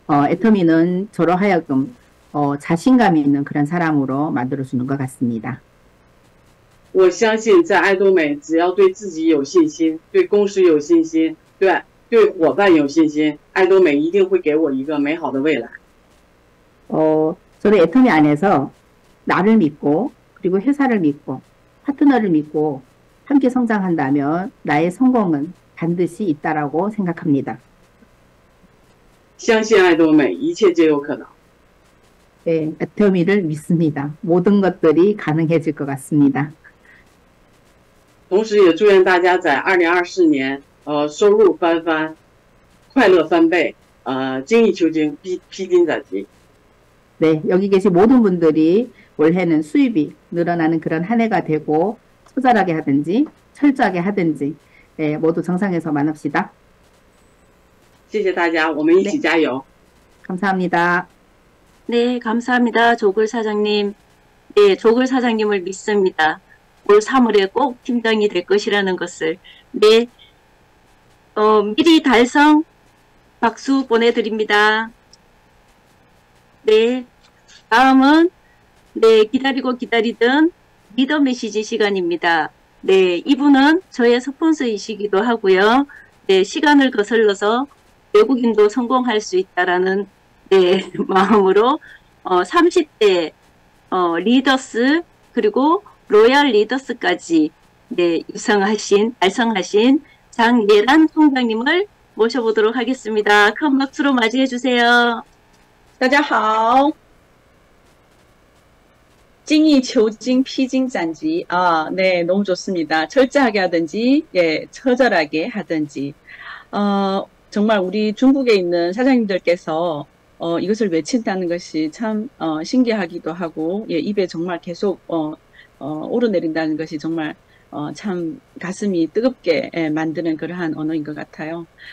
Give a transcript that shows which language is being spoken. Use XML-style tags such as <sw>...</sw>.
<ko>애터미는 저로 하여금 자신감 있는 그런 사람으로 만들어 주는 것 같습니다.</ko> <zh>我相信，在爱多美，只要对自己有信心，对公司有信心，对伙伴有信心，爱多美一定会给我一个美好的未来。</zh> <ko>저는 애터미 안에서 나를 믿고, 그리고 회사를 믿고, 파트너를 믿고, 함께 성장한다면 나의 성공은 반드시 있다라고 생각합니다.</ko> <zh>相信爱多美，一切皆有可能。</zh> <ko>네, 애터미를 믿습니다. 모든 것들이 가능해질 것 같습니다.</ko> <zh>同时也祝愿大家在2024年，收入翻番，快乐翻倍，精益求精，披荆斩棘。</zh> <ko>네, 여기 계신 모든 분들이 올해는 수입이 늘어나는 그런 한 해가 되고, 처절하게 하든지, 철저하게 하든지, 모두 정상에서 만납시다.</ko> <zh>谢谢大家，我们一起</zh> <ko>네,</ko> <zh>加油。</zh> <ko>감사합니다. 네, 감사합니다, 조글 사장님. 네, 조글 사장님을 믿습니다. 올 3월에 꼭 팀장이 될 것이라는 것을. 네, 미리 달성 박수 보내드립니다. 네, 다음은 네, 기다리고 기다리던 리더 메시지 시간입니다. 네, 이분은 저의 스폰서이시기도 하고요. 네, 시간을 거슬러서 외국인도 성공할 수 있다라는 네, 마음으로 30대 리더스 그리고 로얄 리더스까지 네, 달성하신 장예란 총장님을 모셔보도록 하겠습니다. 큰 박수로 맞이해 주세요.</ko> <zh>大家好，精益求精，披荆斩棘啊！</zh> <ko>네，너무좋습니다。 철저하게하든지，예，처절하게하든지，정말 우리 중국에 있는 사장님들께서 이것을 외친다는 것이 참 신기하기도 하고, 예, 입에 정말 계속 오르내린다는 것이 정말 참 가슴이 뜨겁게 예, 만드는 그러한 언어인 것 같아요.</ko>